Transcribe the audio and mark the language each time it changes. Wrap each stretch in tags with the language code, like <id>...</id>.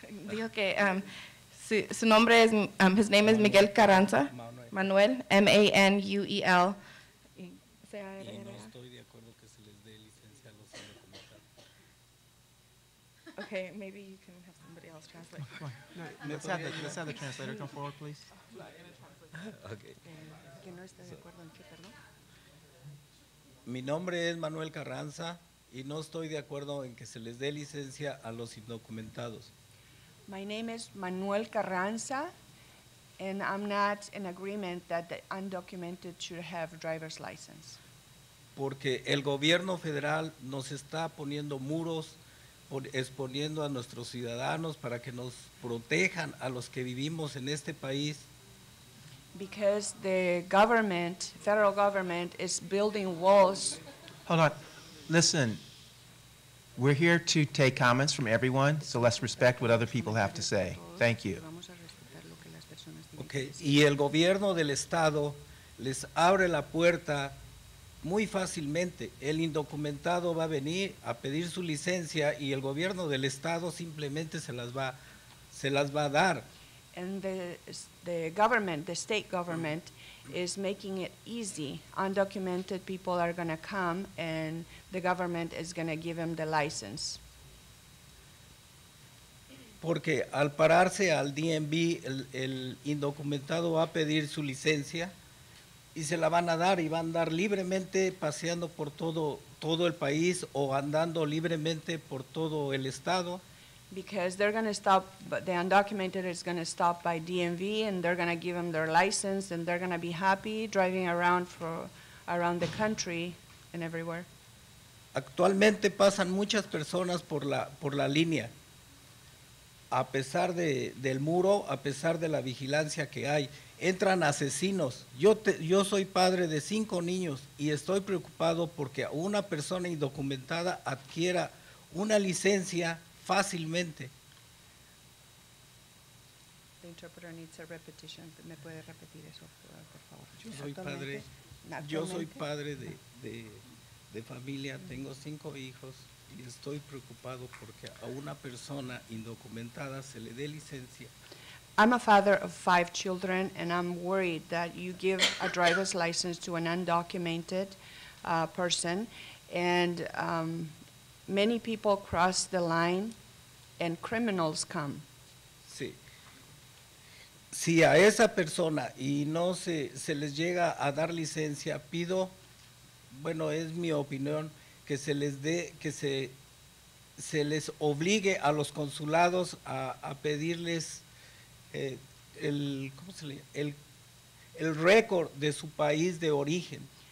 <es>Digo que su nombre es,</es> <en>his name is</en> <es>Miguel Carranza, Manuel, M-A-N-U-E-L. Y no estoy de acuerdo que se les dé licencia a los indocumentados.</es> <en>Okay, maybe you can have somebody else translate. Let's have the translator come forward, please. Okay.</en> <es>Mi nombre es Manuel Carranza y no estoy de acuerdo en que se les dé licencia a los indocumentados.</es> <en>My name is Manuel Carranza and I'm not in agreement that the undocumented should have a driver's license.</en> <es>Porque el gobierno federal nos está poniendo muros, exponiendo a nuestros ciudadanos para que nos protejan a los que vivimos en este país.</es> <en>Because the government, federal government, is building walls. Hold on. Listen. We're here to take comments from everyone, so let's respect what other people have to say. Thank you. Okay.</en> <es>Y el gobierno del estado les abre la puerta muy fácilmente. El indocumentado va a venir a pedir su licencia y el gobierno del estado simplemente se las va a dar.</es> <en>And the government, the state government, is making it easy. Undocumented people are going to come, and the government is going to give them the license.</en> <es>Porque al pararse al DMV, el indocumentado va a pedir su licencia, y se la van a dar, y va a andar libremente paseando por todo el país, o andando libremente por todo el estado.</es> <en>Because they're going to stop, the undocumented is going to stop by DMV and they're going to give them their license and they're going to be happy driving around the country and everywhere.</en> <es>Actualmente pasan muchas personas por la línea, a pesar del muro, a pesar de la vigilancia que hay. Entran asesinos. Yo soy padre de 5 niños y estoy preocupado porque una persona indocumentada adquiera una licencia fácilmente.</es> <en>The interpreter needs a repetition.</en> <es>¿Me puede repetir eso, por favor? Yo soy padre de familia, tengo 5 hijos y estoy preocupado porque a una persona indocumentada se le dé licencia.</es> <en>I'm a father of 5 children and I'm worried that you give a driver's license to an undocumented person and many people cross the line and criminals come.</en> <es>Sí. Si a esa persona y no se les llega a dar licencia, pido, bueno, es mi opinión, que se les dé, que se les obligue a los consulados a pedirles el récord de su país de origen.</es>